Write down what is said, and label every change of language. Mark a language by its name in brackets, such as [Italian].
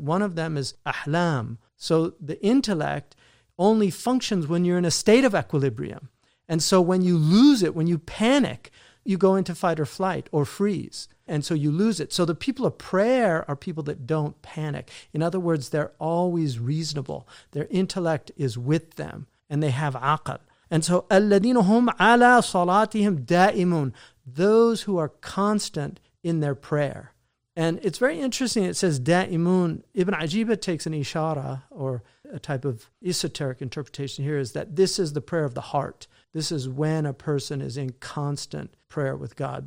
[English] One of them is ahlam. So the intellect only functions when you're in a state of equilibrium. And so when you lose it, when you panic, you go into fight or flight or freeze. And so you lose it. So the people of prayer are people that don't panic. In other words, they're always reasonable. Their intellect is with them and they have aqal. And so, [Arabic] الَّذِينَ هُمْ عَلَى صَلَاتِهِمْ دَائِمُونَ. [English] Those who are constant in their prayer. And it's very interesting, it says da'imun. Ibn Ajiba takes an ishara, or a type of esoteric interpretation here, is that this is the prayer of the heart. This is when a person is in constant prayer with God.